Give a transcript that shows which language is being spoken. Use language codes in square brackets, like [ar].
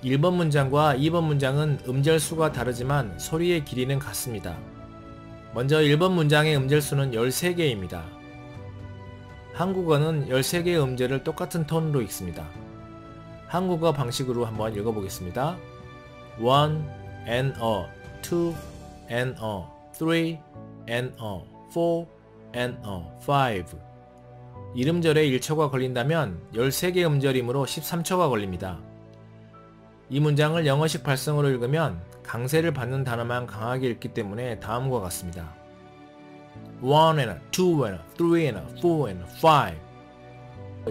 [ko] 1번 문장과 2번 문장은 음절 수가 다르지만 소리의 길이는 같습니다. 먼저 1번 문장의 음절 수는 13개입니다. 한국어는 13개의 음절을 똑같은 톤으로 읽습니다. 한국어 방식으로 한번 읽어보겠습니다. [en] One and a, two and a, three and a, four and a, five. [ko] 이음절에 1초가 걸린다면 13개 음절이므로 13초가 걸립니다. 이 문장을 영어식 발성으로 읽으면 강세를 받는 단어만 강하게 읽기 때문에 다음과 같습니다. [en] 1 and 2 and 3 and 4 and 5.